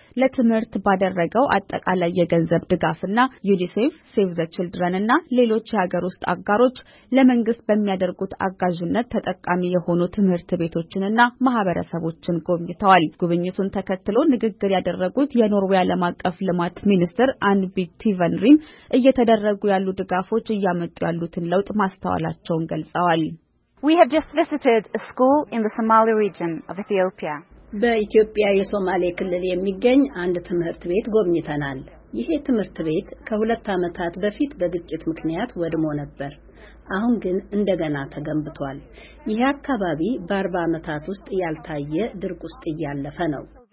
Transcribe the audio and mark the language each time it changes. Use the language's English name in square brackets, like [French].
[Amharic] ለትምህርት ባደረገው አጠቃላይ የገንዘብ ድጋፍና ዩኒሴፍ፣ ሴቭ ዘ ቺልድረንና ሌሎች የሀገር ውስጥ አጋሮች ለመንግስት በሚያደርጉት አጋዥነት ተጠቃሚ የሆኑ ትምህርት ቤቶችንና ማህበረሰቦችን ጎብኝተዋል። ጉብኝቱን ተከትሎ ንግግር ያደረጉት የኖርዌይ ዓለም አቀፍ ልማት ሚኒስትር አንቢ ቲቨንሪም እየተደረጉ ያሉ ድጋፎች እያመጡ ያሉትን ለውጥ ማስተዋላቸውን ገልጸዋል። [English] We have just visited a school in the Somali region of Ethiopia. [Amharic] በኢትዮጵያ የሶማሌ ክልል የሚገኝ አንድ ትምህርት ቤት ጎብኝተናል። ይሄ ትምህርት ቤት ከሁለት አመታት በፊት በግጭት ምክንያት ወድሞ ነበር። አሁን ግን እንደገና ተገንብቷል። ይሄ አካባቢ በ40 አመታት ውስጥ ያልታየ ድርቅ ውስጥ ያለፈ ነው።